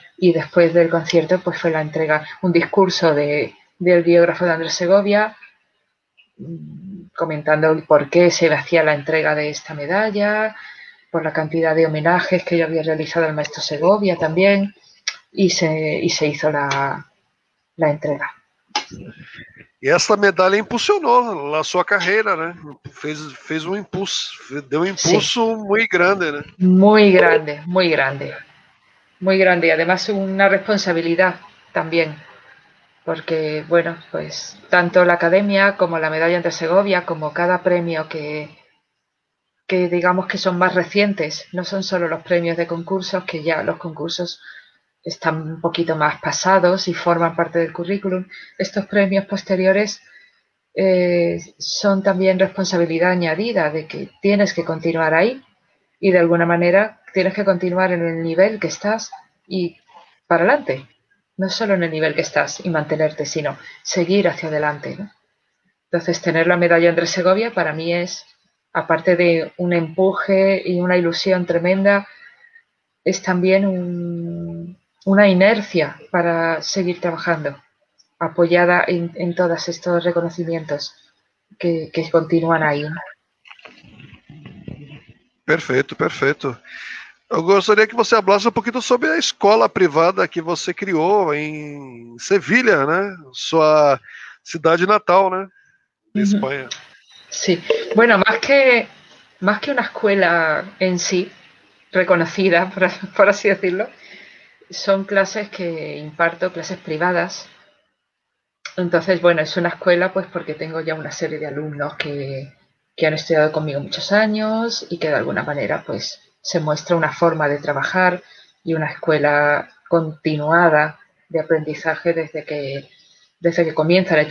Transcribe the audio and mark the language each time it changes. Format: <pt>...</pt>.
<es>Y después del concierto, pues fue la entrega, un discurso del biógrafo de Andrés Segovia, comentando el por qué se hacía la entrega de esta medalla, por la cantidad de homenajes que yo había realizado al maestro Segovia también, y se hizo la entrega.</es> <pt>E essa medalha impulsionou a sua carreira, né? Fez um impulso, deu um</pt> <es>Sí.</es> <pt>impulso muito grande, né?</pt> <es>Muy grande, muy grande, muy grande, y además una responsabilidad también, porque, bueno, pues tanto la academia como la medalla Andrés Segovia, como cada premio que digamos que son más recientes, no son solo los premios de concursos, que ya los concursos están un poquito más pasados y forman parte del currículum. Estos premios posteriores son también responsabilidad añadida de que tienes que continuar ahí. Y de alguna manera tienes que continuar en el nivel que estás y para adelante. No solo en el nivel que estás y mantenerte, sino seguir hacia adelante, ¿no? Entonces, tener la medalla Andrés Segovia para mí es, aparte de un empuje y una ilusión tremenda, es también una inercia para seguir trabajando, apoyada en todos estos reconocimientos que continúan ahí, ¿no?</es> <pt>Perfeito, perfeito. Eu gostaria que você falasse um pouquinho sobre a escola privada que você criou em Sevilha, né? Sua cidade natal, né? De Espanha.</pt> <es>Sí, bueno, más que una escuela en sí, reconocida, por así decirlo, son clases que imparto, clases privadas. Entonces, bueno, es una escuela pues porque tengo ya una serie de alumnos que han estudiado conmigo muchos años y que de alguna manera pues se muestra una forma de trabajar y una escuela continuada de aprendizaje desde que comienzan.</es>